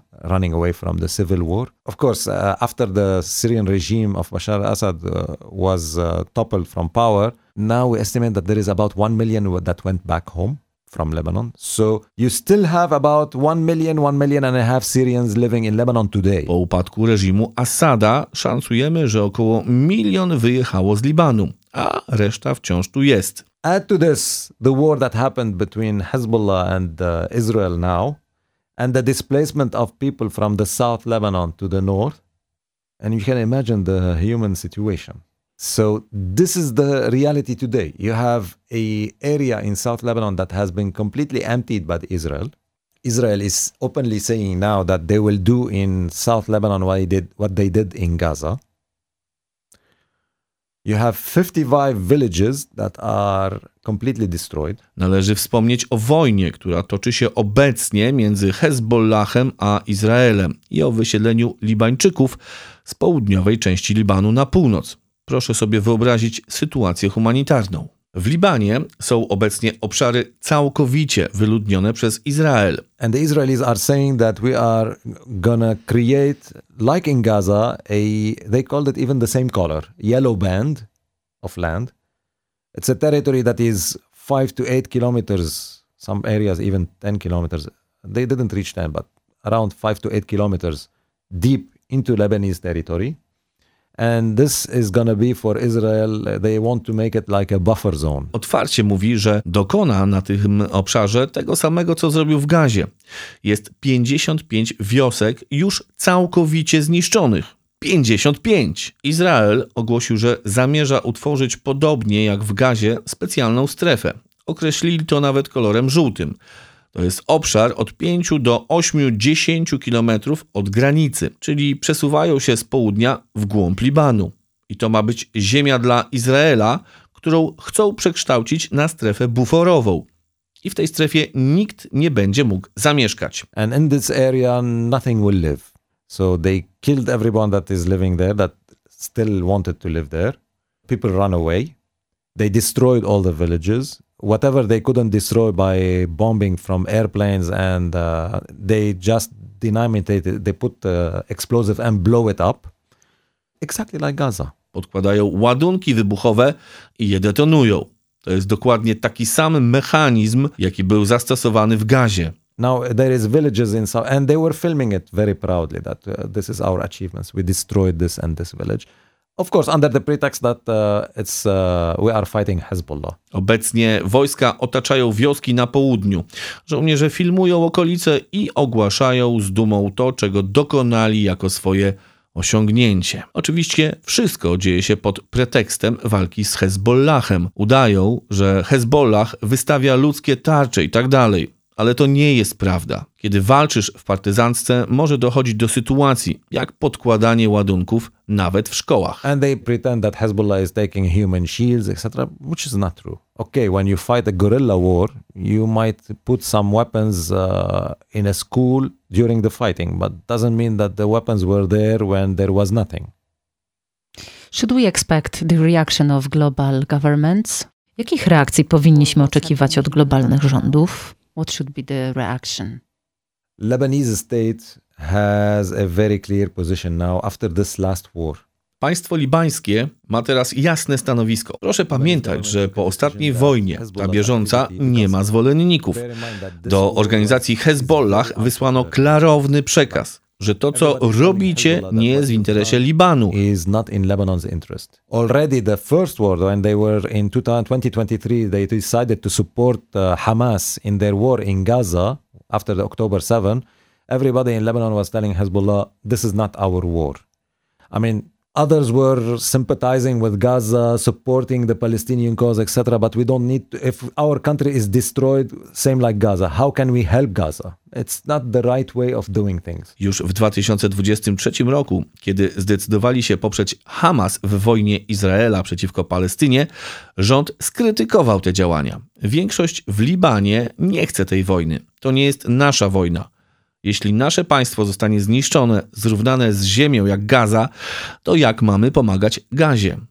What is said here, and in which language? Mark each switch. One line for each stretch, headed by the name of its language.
English: Running away from the civil war. Of course, after the Syrian regime of Bashar al-Assad was toppled from power, now we estimate that there is about 1 million that went back home from Lebanon. So you still have about 1 million and a half Syrians living in Lebanon today.
Polish: Po upadku reżimu Assada szacujemy, że około 1 milion wyjechało z Libanu, a reszta wciąż tu jest.
English: Add to this the war that happened between Hezbollah and Israel now, and the displacement of people from the south Lebanon to the north, and you can imagine the human situation. So this is the reality today. You have a area in south Lebanon that has been completely emptied by Israel. Israel is openly saying now that they will do in south Lebanon what they did in Gaza. You have 55 villages that are completely destroyed.
Polish: Należy wspomnieć o wojnie, która toczy się obecnie między Hezbollahem a Izraelem i o wysiedleniu Libańczyków z południowej części Libanu na północ. Proszę sobie wyobrazić sytuację humanitarną. W Libanie są obecnie obszary całkowicie wyludnione przez Izrael.
English: And the Israelis are saying that we are gonna create, like in Gaza, they called it even the same color, yellow band of land. It's a territory that is 5 to 8 kilometers, some areas even 10 kilometers. They didn't reach 10, but around 5 to 8 kilometers deep into Lebanese territory. And this is gonna be for Israel. They want to make it like a buffer zone.
Polish: Otwarcie mówi, że dokona na tym obszarze tego samego, co zrobił w Gazie. Jest 55 wiosek już całkowicie zniszczonych. 55! Izrael ogłosił, że zamierza utworzyć, podobnie jak w Gazie, specjalną strefę. Określili to nawet kolorem żółtym. To jest obszar od 5 do 8, 10 kilometrów od granicy, czyli przesuwają się z południa w głąb Libanu. I to ma być ziemia dla Izraela, którą chcą przekształcić na strefę buforową. I w tej strefie nikt nie będzie mógł zamieszkać.
English: And in this area nothing will live. So they killed everyone that is living there, that still wanted to live there. People run away. They destroyed all the villages. Whatever they couldn't destroy by bombing from airplanes, and they just dynamite it, they put explosive and blow it up. Exactly like Gaza.
Polish: podkładają ładunki wybuchowe i je detonują. To jest dokładnie taki sam mechanizm, jaki był zastosowany w Gazie.
English: Now there is villages in South, and they were filming it very proudly that this is our achievements. We destroyed this and this village. Of course, under the pretext that we are fighting Hezbollah.
Polish: Obecnie wojska otaczają wioski na południu. Żołnierze filmują okolice i ogłaszają z dumą to, czego dokonali jako swoje osiągnięcie. Oczywiście wszystko dzieje się pod pretekstem walki z Hezbollahem. Udają, że Hezbollah wystawia ludzkie tarcze i tak dalej. Ale to nie jest prawda. Kiedy walczysz w partyzantce, może dochodzić do sytuacji, jak podkładanie ładunków nawet w szkołach.
English: And they pretend that Hezbollah is taking human shields, etc., which is not true. Okay, when you fight a guerrilla war, you might put some weapons in a school during the fighting, but doesn't mean that the weapons were there when there was nothing. Should we expect the reaction of global governments?
Polish: Jakich reakcji powinniśmy oczekiwać od globalnych rządów?
English: What should be the reaction? Lebanese state has a very clear position now after this last war.
Polish: Państwo libańskie ma teraz jasne stanowisko. Proszę pamiętać, że po ostatniej wojnie, ta bieżąca, nie ma zwolenników. Do organizacji Hezbollah wysłano klarowny przekaz, że to, co robicie, nie jest w interesie Libanu.
English: Is not in Lebanon's interest. Already the first war, when they were in 2023, they decided to support Hamas in their war in Gaza after the October 7. Everybody in Lebanon was telling Hezbollah, this is not our war. I mean, others were sympathizing with Gaza, supporting the Palestinian cause, etc. But we don't need to, if our country is destroyed, same like Gaza, how can we help Gaza? It's not the right way of doing things.
Polish: Już w 2023 roku, kiedy zdecydowali się poprzeć Hamas w wojnie Izraela przeciwko Palestynie, rząd skrytykował te działania. Większość w Libanie nie chce tej wojny. To nie jest nasza wojna. Jeśli nasze państwo zostanie zniszczone, zrównane z ziemią jak Gaza, to jak mamy pomagać Gazie?